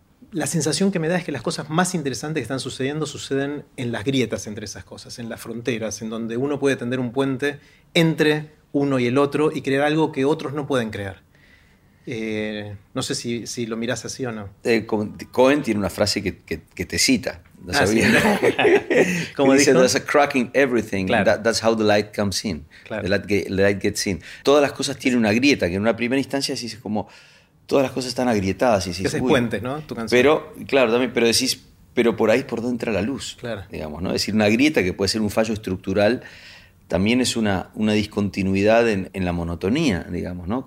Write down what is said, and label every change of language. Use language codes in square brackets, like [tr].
[es] La sensación que me da es que las cosas más interesantes que están sucediendo suceden en las grietas entre esas cosas, en las fronteras, en donde uno puede tender un puente entre uno y el otro y crear algo que otros no pueden crear. No sé si lo mirás así o no. Cohen tiene una frase que te cita. No sabía. ¿Sí? Como dice, [en] there's a crack in everything. [es] Claro. [en] That's how the light comes in. [es] Claro. [en] The light gets in. [es] Todas las cosas tienen una grieta, que en una primera instancia decís como, todas las cosas están agrietadas. Y decís, que es puente, ¿no? Tu canción. Pero, claro, también, pero decís, pero por ahí es por donde entra la luz. Claro. Digamos, ¿no? Es decir, una grieta que puede ser un fallo estructural. También es una discontinuidad en la monotonía, digamos, ¿no?